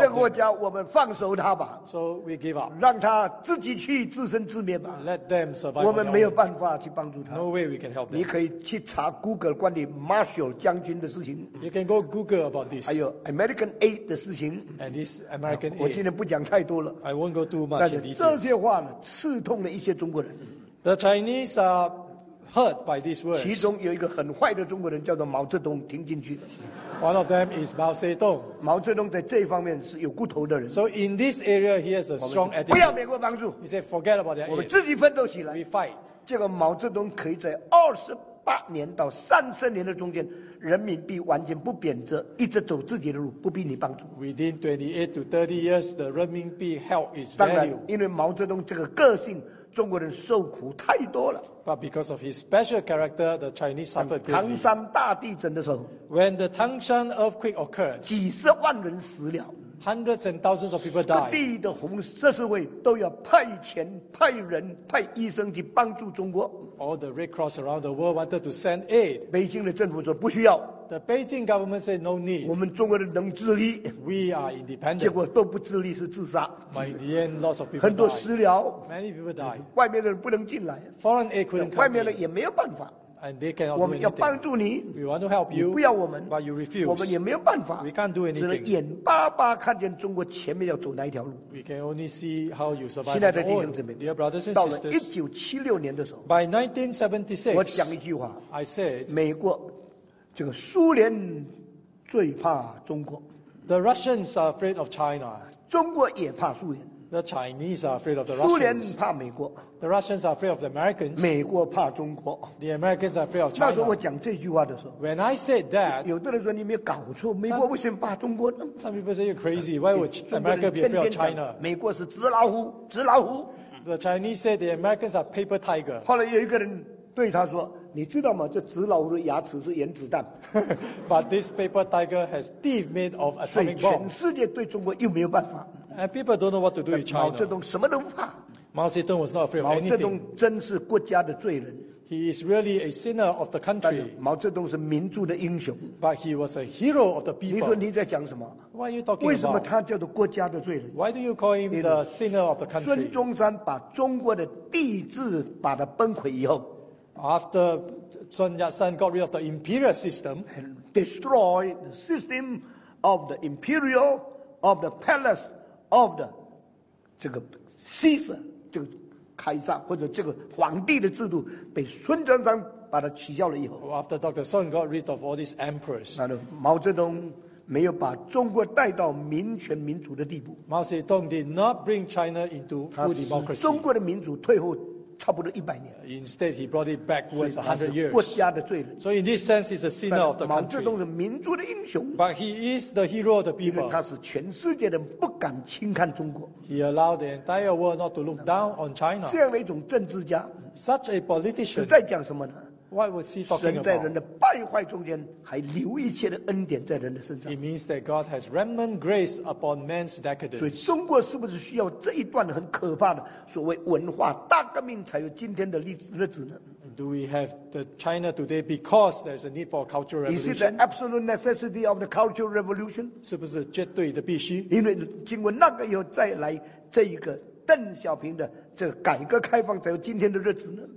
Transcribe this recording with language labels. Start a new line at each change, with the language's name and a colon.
Chinese: 这个国家我们放手他吧。
English: So we give up.
Chinese: 让他自己去自生自灭吧。
English: Let them survive.
Chinese: 我们没有办法去帮助他。
English: No way we can help them.
Chinese: 你可以去查 Google 关于 Marshall 将军的事情。
English: You can go Google about this.
Chinese: 还有 American Aid 的事情。
English: And this American aid.
Chinese: 我今天不讲太多了。
English: I won't go too much.
Chinese: 但是这些话呢，刺痛了一些中国人。
English: The Chinese are hurt by these words.
Chinese: 其中有一个很坏的中国人叫做毛泽东，听进去了。
English: One of them is Mao Zedong.
Chinese: 毛泽东在这一方面是有骨头的人。
English: So in this area, he has a strong attitude.
Chinese: 不要美国帮助。
English: He said, "Forget about their aid."
Chinese: 我们自己奋斗起来。
English: We fight.
Chinese: 这个毛泽东可以在28年到30年的中间，人民币完全不贬值，一直走自己的路，不必你帮助。
English: Within 28 to 30 years, the 人民币 held its value.
Chinese: 当然，因为毛泽东这个个性，中国人受苦太多了。
English: But because of his special character, the Chinese suffered greatly.
Chinese: 唐山大地震的时候
English: ，When the Tangshan earthquake occurred,
Chinese: 几十万人死了。
English: Hundreds and thousands of people died.
Chinese: 各地的红十字会都要派遣、派人、派医生去帮助中国。
English: All the Red Cross around the world wanted to send aid.
Chinese: 北京的政府说不需要。
English: The Beijing government said no need.
Chinese: 我们中国人能自立。
English: We are independent.
Chinese: 结果都不自立，是自杀。
English: But in the end, lots of people die.
Chinese: 很多私了。
English: Many people die.
Chinese: 外面的人不能进来。
English: Foreign aid couldn't come.
Chinese: 外面的也没有办法。
English: And they cannot do anything.
Chinese: 我们要帮助你。
English: We want to help you.
Chinese: 你不要我们。
English: But you refuse.
Chinese: 我们也没有办法。
English: We can't do anything.
Chinese: 只能眼巴巴看见中国前面要走哪一条路。
English: We can only see how you survive.
Chinese: 现在的弟兄姊妹
English: ，Dear brothers and sisters，
Chinese: 到了1976年的时候
English: ，By 1976，
Chinese: 我讲一句话
English: ，I said，
Chinese: 美国这个苏联最怕中国
English: ，The Russians are afraid of China，
Chinese: 中国也怕苏联。
English: The Chinese are afraid of the Russians.
Chinese: 苏联怕美国。
English: The Russians are afraid of the Americans.
Chinese: 美国怕中国。
English: The Americans are afraid of China.
Chinese: 那时候我讲这句话的时候
English: ，When I said that，
Chinese: 有的人说你没有搞错，美国为什么怕中国呢
English: ？Some people say you're crazy. Why would America be afraid of China？
Chinese: 美国是纸老虎，纸老虎。
English: The Chinese said the Americans are paper tiger.
Chinese: 后来有一个人对他说，你知道吗？这纸老虎的牙齿是原子弹。
English: But this paper tiger has teeth made of atomic bomb.
Chinese: 所以全世界对中国又没有办法。
English: And people don't know what to do with China.
Chinese: 毛泽东什么都不怕。
English: 毛泽东 was not afraid of anything.
Chinese: 毛泽东真是国家的罪人。
English: He is really a sinner of the country.
Chinese: 毛泽东是民族的英雄。
English: But he was a hero of the people.
Chinese: 你说你在讲什么
English: ？What are you talking about?
Chinese: 为什么他叫做国家的罪人
English: ？Why do you call him the sinner of the country?
Chinese: 孙中山把中国的帝制把它崩溃以后
English: ，After Sun Yat-sen got rid of the imperial system, destroyed the system of the imperial of the palace. Of the
Chinese: 这个 Caesar 这个凯撒或者这个皇帝的制度被孙中山把它取消了以后
English: ，After Dr. Sun got rid of all these emperors，
Chinese: 那毛泽东没有把中国带到民权民主的地步。
English: 毛泽东 did not bring China into full democracy。
Chinese: 中国的民主退后差不多一百年。
English: Instead, he brought it backwards 100 years。
Chinese: 国家的罪人。
English: So in this sense, he's a sinner of the country。
Chinese: 毛泽东是民族的英雄。
English: But he is the hero of the people。
Chinese: 因为他是全世界的不敢轻看中国。
English: He allowed the entire world not to look down on China。
Chinese: 这样的一种政治家
English: ，such a politician，
Chinese: 在讲什么呢？
English: Why was he talking about?
Chinese: 神在人的败坏中间还留一切的恩典在人的身上。
English: It means that God has remnant grace upon man's decadence.
Chinese: 所以中国是不是需要这一段很可怕的所谓文化大革命才有今天的日子呢？
English: Do we have the China today because there's a need for a cultural revolution? Is it the absolute necessity of the cultural revolution?
Chinese: 是不是绝对的必须？因为经过那个以后再来这一个邓小平的这个改革开放才有今天的日子呢